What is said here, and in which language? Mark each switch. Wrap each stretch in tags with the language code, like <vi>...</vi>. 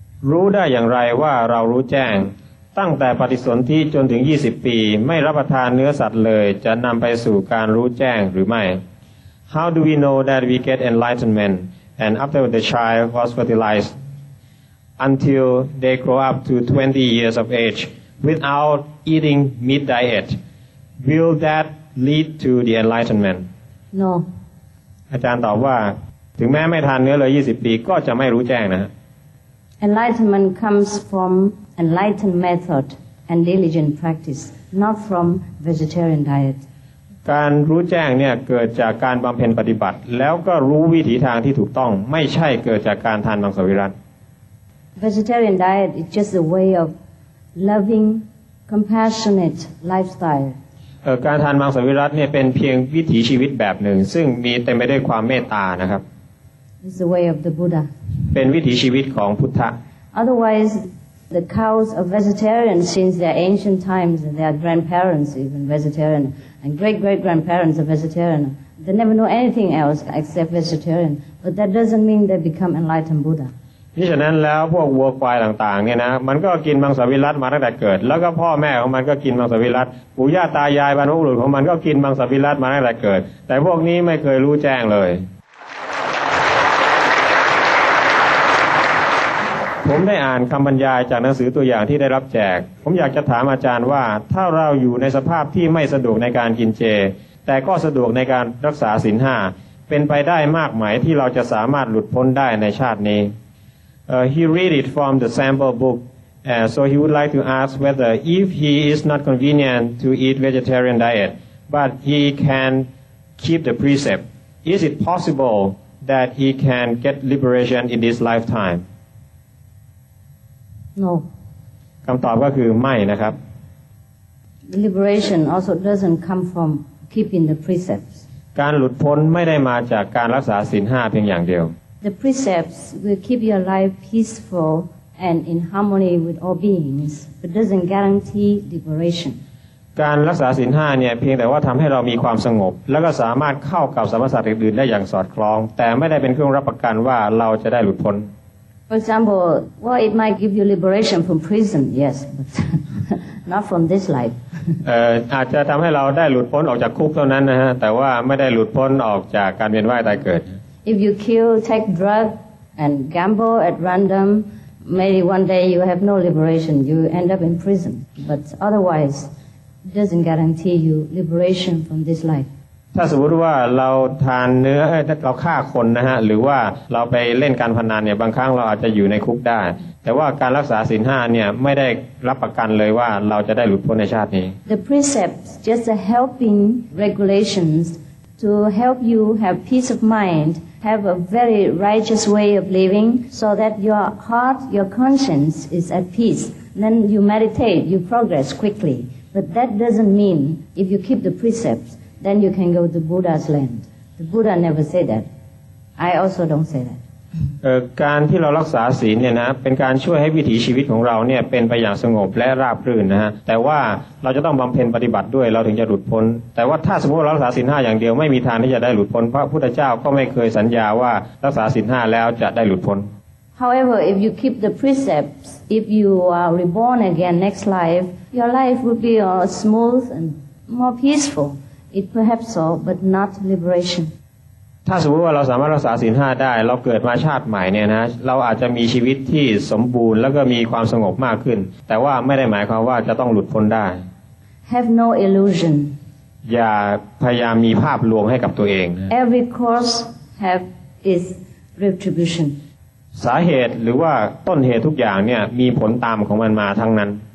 <th>รู้ได้อย่างไรว่าเรารู้แจ้งตั้งแต่ปฏิสนธิจนถึง20ปีไม่รับประทานเนื้อสัตว์เลยจะนำไปสู่การรู้แจ้งหรือไม่</th> <en>How do we know that we get enlightenment and after the child was fertilized until they grow up to 20 years of age without eating meat diet will that lead to the enlightenment No</en> <th>อาจารย์ตอบว่าถึงแม้ไม่ทานเนื้อเลย20ปีก็จะไม่รู้แจ้งนะ</th> <en>Enlightenment comes from enlightened method and diligent practice, not from vegetarian diet.</en> <th>การรู้แจ้งเนี่ยเกิดจากการบำเพ็ญปฏิบัติแล้วก็รู้วิถีทางที่ถูกต้องไม่ใช่เกิดจากการทานมังสวิรัติ</th> <en>Vegetarian diet is just a way of loving compassionate lifestyle</en> <th>การทานมังสวิรัติเนี่ยเป็นเพียงวิถีชีวิตแบบหนึ่งซึ่งมีเต็มไปด้วยความเมตตานะครับ</th> <en>It's the way of the Buddha</en> <th>เป็นวิถีชีวิตของพุทธะ</th> <en>Otherwise the cows are vegetarian since their ancient times their grandparents even vegetarian and great great grandparents are vegetarian they never know anything else except vegetarian but that doesn't mean they become enlightened Buddha</en> <th>นี่ฉะนั้นแล้วพวกวัวควายต่างๆเนี่ยนะมันก็กินมังสวิรัติมาตั้งแต่เกิดแล้วก็พ่อแม่ของมันก็กินมังสวิรัติปู่ย่าตายายบรรพบุรุษของมันก็กินมังสวิรัติมาตั้งแต่เกิดแต่พวกนี้ไม่เคยรู้แจ้งเลย ผมได้อ่านคำบรรยายจากหนังสือตัวอย่างที่ได้รับแจกผมอยากจะถามอาจารย์ว่าถ้าเราอยู่ในสภาพที่ไม่สะดวกในการกินเจแต่ก็สะดวกในการรักษาศีล5เป็นไปได้มากไหมที่เราจะสามารถหลุดพ้นได้ในชาตินี้</th> <en>he read it from the sample book so he would like to ask whether if he is not convenient to eat vegetarian diet but he can keep the precept is it possible that he can get liberation in this lifetime No.</en> <th>คำตอบก็คือไม่นะครับ</th> <en>Liberation also doesn't come from keeping the precepts.</en> <th>การหลุดพ้นไม่ได้มาจากการรักษาศีล5เพียงอย่างเดียว</th> <en>The precepts will keep your life peaceful and in harmony with all beings, but doesn't guarantee liberation.</en> <th>การรักษาศีล5เนี่ยเพียงแต่ว่าทำให้เรามีความสงบแล้วก็สามารถเข้ากับสรรพสัตว์อื่นๆได้อย่างสอดคล้องแต่ไม่ได้เป็นเครื่องรับประกันว่าเราจะได้หลุดพ้น</th> <en>For example, well, it might give you liberation from prison, yes, but not from this life.</en> <th>อาจจะทำให้เราได้หลุดพ้นออกจากคุกเท่านั้นนะฮะแต่ว่าไม่ได้หลุดพ้นออกจากการเวียนว่ายตายเกิด</th> <en>If you kill, take drug, and gamble at random, maybe one day you have no liberation. You end up in prison. But otherwise, it doesn't guarantee you liberation from this life.</en> <th>ถ้าสมมติว่าเราทานเนื้อเราฆ่าคนนะฮะหรือว่าเราไปเล่นการพนันเนี่ยบางครั้งเราอาจจะอยู่ในคุกได้แต่ว่าการรักษาศีล5เนี่ยไม่ได้รับประกันเลยว่าเราจะได้หลุดพ้นในชาตินี้</th> <en>The precepts just a helping regulations to help you have peace of mind have a very righteous way of living so that your heart your conscience is at peace then you meditate you progress quickly but that doesn't mean if you keep the precepts then you can go to Buddha's land. The Buddha never said that. I also don't say that.</en> <th>การที่เรารักษาศีลเนี่ยนะเป็นการช่วยให้วิถีชีวิตของเราเนี่ยเป็นไปอย่างสงบและราบรื่นนะฮะแต่ว่าเราจะต้องบำเพ็ญปฏิบัติด้วยเราถึงจะหลุดพ้นแต่ว่าถ้าสมมติเรารักษาศีล5อย่างเดียวไม่มีทางที่จะได้หลุดพ้นพระพุทธเจ้าก็ไม่เคยสัญญาว่ารักษาศีล5แล้วจะได้หลุดพ้น</th> <en>However, if you keep the precepts, if you are reborn again next life, your life would be smooth and more peacefulIt perhaps so, but not liberation.</en> <th>ถ้าสมมติว่าเราสามารถรักษาศีล5ได้เราเกิดมาชาติใหม่เนี่ยนะเราอาจจะมีชีวิตที่สมบูรณ์แล้วก็มีความสงบมากขึ้นแต่ว่าไม่ได้หมายความว่าจะต้องหลุดพ้นได้</th> <en>Have no illusion.</en> <th>อย่าพยายามมีภาพลวงให้กับตัวเอง</th> <en>Every course have its retribution.</en> <th>สาเหตุหรือว่าต้นเหตุทุกอย่างเนี่ยมีผลตามของมันมาทั้งนั้น</th>